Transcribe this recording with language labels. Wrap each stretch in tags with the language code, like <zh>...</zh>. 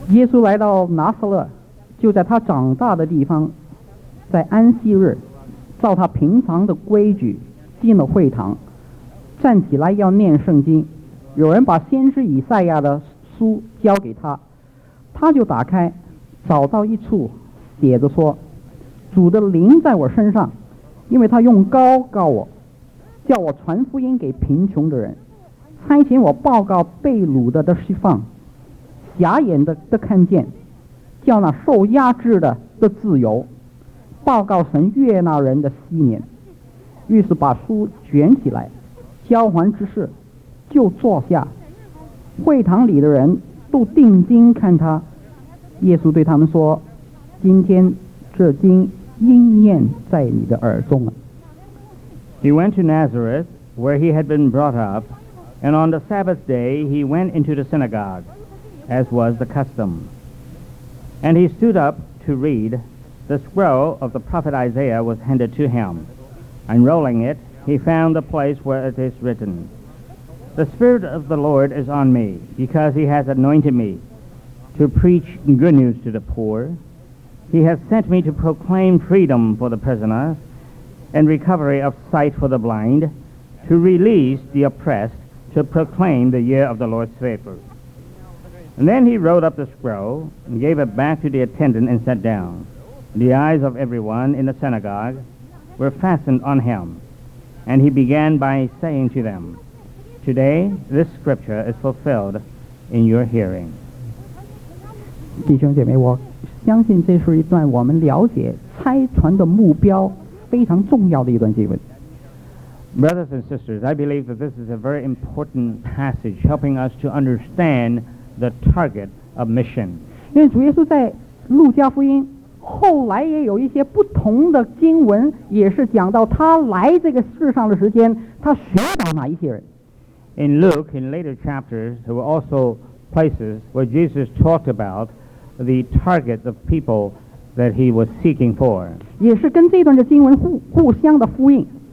<zh>耶稣来到拿撒勒，就在他长大的地方，在安息日，照他平常的规矩进了会堂，站起来要念圣经。有人把先知以赛亚的书交给他他就打开找到一处写着说主的灵在我身上因为他用膏膏我叫我传福音给贫穷的人差遣我报告被掳的的释放，瞎眼的的看见，叫那受压制的的自由，报告神悦纳人的喜年。于是把书卷起来，交还之事，就坐下。会堂里的人都定睛看他。耶稣对他们说：“今天这经应验在你的耳中了。”</zh> <en>He went to Nazareth, where he had been brought up, and on the Sabbath day he went into the synagogue, as was the custom. And he stood up to read. The scroll of the prophet Isaiah was handed to him. Unrolling it, he found the place where it is written, "The Spirit of the Lord is on me, because he has anointed me to preach good news to the poor. He has sent me to proclaim freedom for the prisoners and recovery of sight for the blind, to release the oppressed, to proclaim the year of the Lord's favor." And then he rolled up the scroll and gave it back to the attendant and sat down. The eyes of everyone in the synagogue were fastened on him, and he began by saying to them, "Today this scripture is fulfilled in your hearing."</en> <zh>弟兄姐妹，我相信这是一段我们了解差传的目标非常重要的一段经文。</zh> <en>Brothers and sisters, I believe that this is a very important passage helping us to understand the target of mission.</en> <zh>因为主耶稣在路加福音后来也有一些不同的经文，也是讲到他来这个世上的时间，他寻找哪一些人。</zh> <en>In Luke, in later chapters, there were also places where Jesus talked about the target of people that he was seeking for.</en> <zh>也是跟这段的经文互相的呼应。</zh>